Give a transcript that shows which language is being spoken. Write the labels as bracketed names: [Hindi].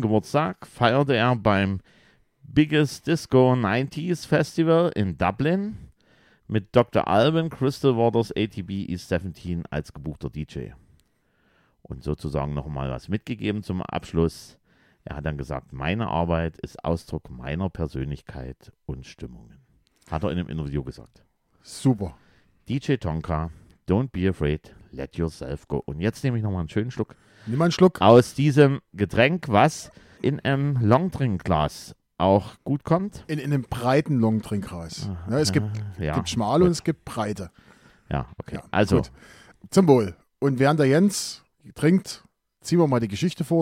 [German] Geburtstag feierte er beim Biggest Disco 90s Festival in Dublin mit Dr. Alban, Crystal Waters, ATB, E17 als gebuchter DJ. Und sozusagen nochmal was mitgegeben zum Abschluss. Er hat dann gesagt, meine Arbeit ist Ausdruck meiner Persönlichkeit und Stimmungen. Hat er in einem Interview gesagt. Super. [English] DJ Tonka, don't be afraid, let yourself go. [German] Und jetzt nehme ich nochmal einen schönen Schluck. Nimm einen Schluck. Aus diesem Getränk, was in einem Longdrinkglas auch gut kommt. In einem breiten Longdrinkglas. Ja, es gibt, ja, gibt schmale gut. Und es gibt breite. Ja, okay. Ja, also. Gut. Zum Wohl. Und während der Jens trinkt, ziehen wir mal die Geschichte vor.